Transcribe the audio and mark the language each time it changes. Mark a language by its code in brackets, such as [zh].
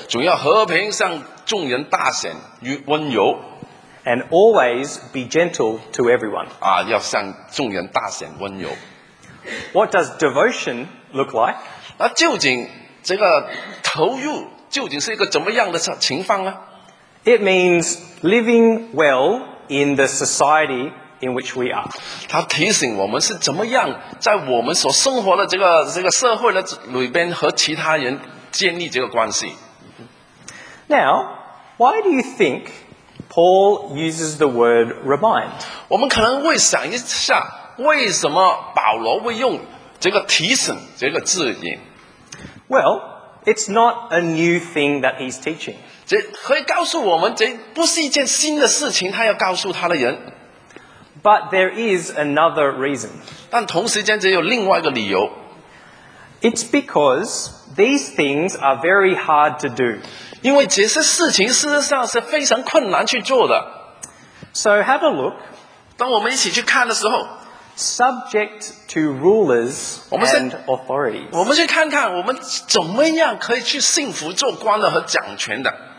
[zh] 总要和平向众人大显温柔。 [en] And always be gentle to everyone. [zh] 啊，要向众人大显温柔。 [en] What does devotion look like? [zh] 那究竟这个投入究竟是一个怎么样的情况呢？ [en] It means living well in the society in which we are. [zh] 它提醒我们是怎么样在我们所生活的这个社会的里边和其他人建立这个关系。 [en] Now, why do you think Paul uses the word remind? [zh] 我们可能会想一下，为什么保罗会用这个提醒这个字眼？ [en] Well, it's not a new thing that he's teaching. [zh] 这可以告诉我们，这不是一件新的事情，他要告诉他的人。 [en] But there is another reason. [zh] 但同时间，这有另外一个理由。 [en] It's because these things are very hard to do. [zh] 因为这些事情事实上是非常困难去做的。 [en] So have a look. [zh] 当我们一起去看的时候。 [en] Subject to rulers and authorities. [zh] 我们去看看我们怎么样可以去信服做官的和掌权的。